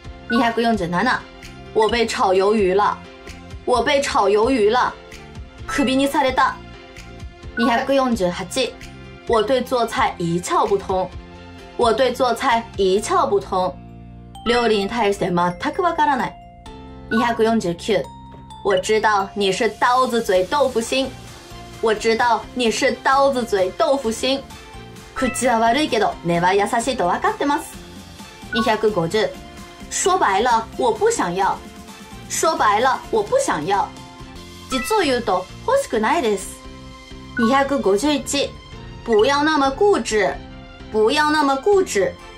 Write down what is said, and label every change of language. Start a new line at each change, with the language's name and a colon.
Chinese: 247。 我被炒鱿鱼了。我被炒鱿鱼了。
Japanese: 首にされた。
Chinese: 248。 我对做菜一窍不通。我对做菜一窍不通。
Japanese: 料理に対して全くわからない。
Chinese: 249。我知道你是刀子嘴豆腐心。我知道你是刀子嘴豆腐心。
Japanese: 口は悪いけど、根は優しいと分かってます。
Chinese: 250。 说白了、我不想要。说白了、我不想要。
Japanese: 実を言うと、欲しくないです。
Chinese: 251。 不要那么固执。不要那么固执。